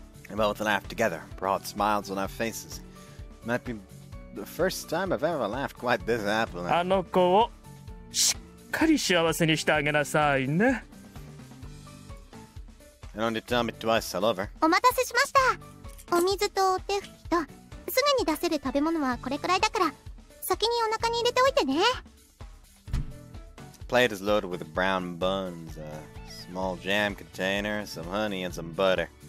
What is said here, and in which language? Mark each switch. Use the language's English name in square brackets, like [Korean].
[English] We both laughed together, broad smiles on our faces. Might be the first time I've ever laughed quite this happily. [Japanese] あの子をしっかり幸せにしてあげなさいね。 [English] You don't need to tell me twice, I love her. [Japanese] お待たせしました。お水とお手拭きと、すぐに出せる食べ物はこれくらいだから、先にお腹に入れておいてね。 [English] The plate is loaded with brown buns, a small jam container, some honey and some butter.